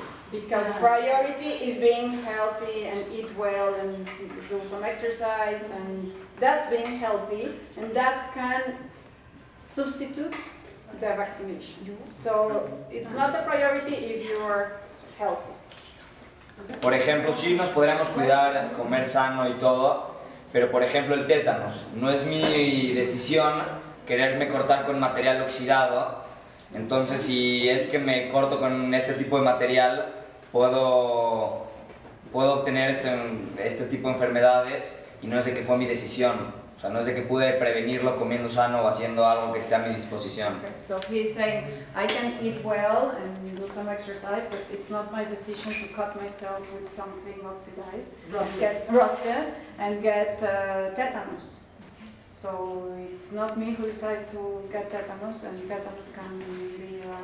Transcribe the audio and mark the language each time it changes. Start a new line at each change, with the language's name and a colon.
English: Because priority is being healthy and eat well and do some exercise, and that's being healthy, and that can substitute the vaccination. So it's not a priority if you are healthy.
Spanish: Por ejemplo, sí nos podríamos cuidar, comer sano y todo, pero por ejemplo el tétanos, no es mi decisión quererme cortar con material oxidado, entonces si es que me corto con este tipo de material, puedo obtener este tipo de enfermedades y no es de que fue mi decisión, o sea, no es de que pude prevenirlo comiendo sano o haciendo algo que esté a mi disposición.
English: Okay, so he's saying, I can eat well and do some exercise, but it's not my decision to cut myself with something oxidized, get rusted, and get tetanus. So it's not me who decided to get tetanus, and tetanus can be